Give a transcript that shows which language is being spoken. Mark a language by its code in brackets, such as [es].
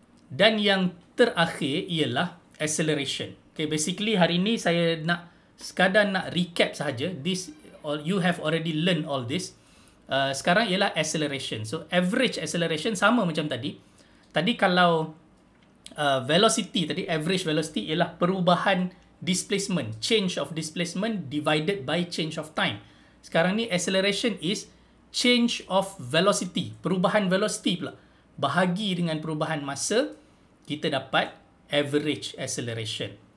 [ms] Dan yang terakhir ialah acceleration. Okay, basically hari ini saya nak sekadar nak recap sahaja. [en] This all, you have already learned all this. [ms] Sekarang ialah acceleration. So average acceleration sama macam tadi. Tadi kalau velocity, tadi average velocity ialah perubahan displacement, [en] change of displacement divided by change of time. [ms] Sekarang ni [en] acceleration is change of velocity, [ms] perubahan velocity pula, bahagi dengan perubahan masa, kita dapat average acceleration.